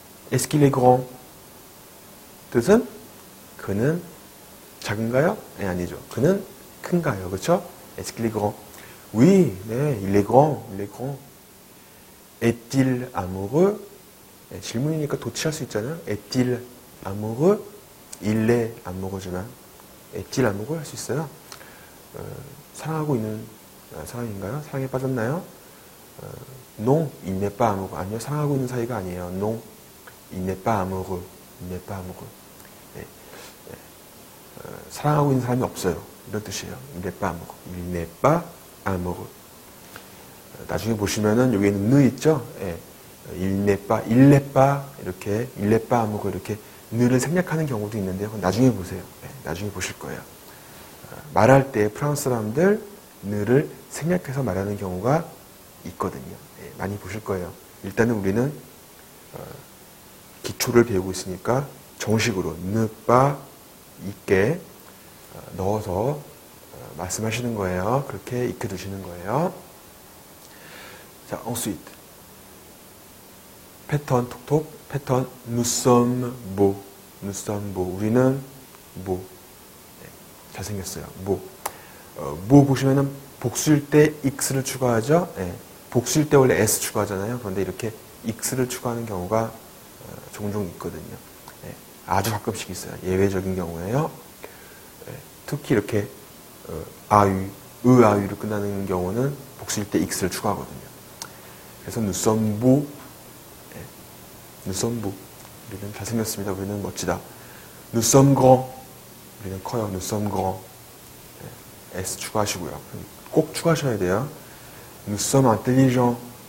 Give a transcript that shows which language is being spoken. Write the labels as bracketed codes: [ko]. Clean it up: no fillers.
[fr] est-ce qu'il est grand? [ko] 뜻은 그는 작은가요? 네, 아니죠. 그는 큰가요? 그렇죠? [fr] est-ce qu'il est grand? oui, 네, il est grand, il est grand. est-il amoureux? [ko] 네, 질문이니까 도치할 수 있잖아요. [fr] est-il amoureux? il est amoureux지만 est-il amoureux [ko] 할 수 있어요. 사랑하고 있는 사람인가요? 사랑에 빠졌나요? [fr] non, il n'est pas amoureux. [ko] 아니요, 사랑하고 있는 사이가 아니에요. [fr] non, il n'est pas amoureux. il n'est pas amoureux. 네. [ko] 사랑하고 있는 사람이 없어요. 이런 뜻이에요. [fr] il n'est pas amoureux. il n'est pas amoureux. [ko] 나중에 보시면은 여기 있는 는 있죠? 네. [fr] il n'est pas, 이렇게, il n'est pas amoureux. [ko] 이렇게 는을 생략하는 경우도 있는데요. 그건 나중에 보세요. 네. 나중에 보실 거예요. 말할 때 프랑스 사람들 는을 생략해서 말하는 경우가 있거든요. 네, 많이 보실 거예요. 일단은 우리는 기초를 배우고 있으니까 정식으로 ne pas 있게 넣어서 말씀하시는 거예요. 그렇게 익혀두시는 거예요. 자, ensuite 패턴 톡톡 패턴 [fr] nous sommes beau. nous sommes beau. 우리는 beau. [ko] 네, 잘생겼어요. [fr] beau. [ko] beau 보시면은 복수일 때 x를 추가하죠. 네. 복수일 때 원래 s 추가하잖아요. 그런데 이렇게 x를 추가하는 경우가 종종 있거든요. 네. 아주 가끔씩 있어요. 예외적인 경우에요. 네. 특히 이렇게 아유, 으, 아유로 끝나는 경우는 복수일 때 x를 추가하거든요. [fr] 그래서 nous sommes beau. [ko] 네. [fr] nous sommes beau. [ko] 우리는 잘생겼습니다. 우리는 멋지다. [fr] nous sommes grand. [ko] 우리는 커요. nous sommes grand. 네. s 추가하시고요. 꼭 추가하셔야 돼요. [fr] Nous sommes intelligents.